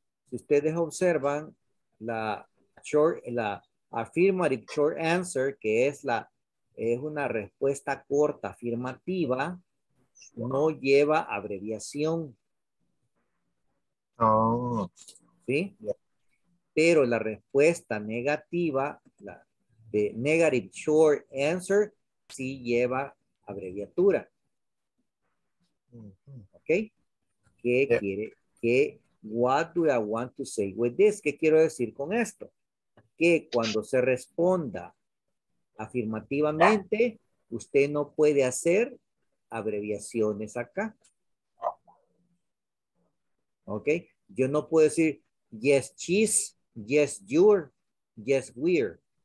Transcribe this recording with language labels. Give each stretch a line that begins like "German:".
Spanish: Si ustedes observan la
English: affirmative short answer,
Spanish: que es la es una respuesta corta afirmativa, no lleva abreviación. Oh. ¿Sí? Pero la respuesta negativa, la de
English: negative short answer,
Spanish: sí lleva abreviatura. ¿Ok? ¿Qué quiere? ¿Qué?
English: What do I want to say with this?
Spanish: ¿Qué quiero decir con esto? Que cuando se responda afirmativamente, usted no puede hacer abreviaciones acá. ¿Ok? Yo no puedo decir
English: yes, she's, yes, you're, yes, we're.